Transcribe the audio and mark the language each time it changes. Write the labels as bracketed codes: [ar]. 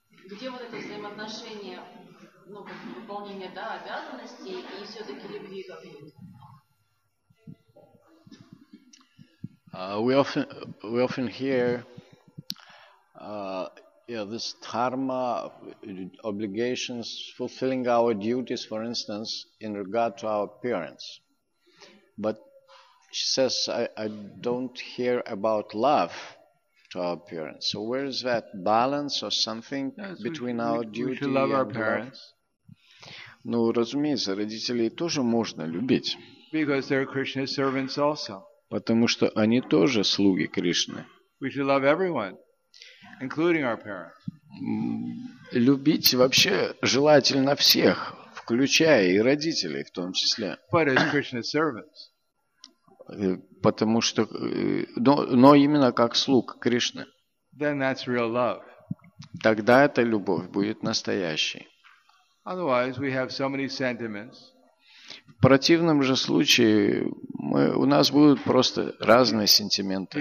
[ru] Где вот это взаимоотношение, ну, выполнение, да, обязанностей и все-таки любви к родителям? [en] We often hear this dharma obligations, fulfilling our duties, for instance, in regard to our parents. But she says, I don't hear about love to our parents. So where is that balance or something between our duty and love our parents? [ru] Ну, разумеется, родителей тоже можно любить. [en] Because they're Krishna's servants also. [ru] Потому что они тоже слуги Кришны. [en] We should love everyone, including our parents. [ru] Любить вообще желательно всех, включая и родителей в том числе. [en] But as Krishna's servants. [ru] Потому что, но именно как слуг Кришны. [en] Then that's real love. [ru] Тогда эта любовь будет настоящей. [en] Otherwise, we have so many sentiments. [ru] В противном же случае у нас будут просто разные сентименты.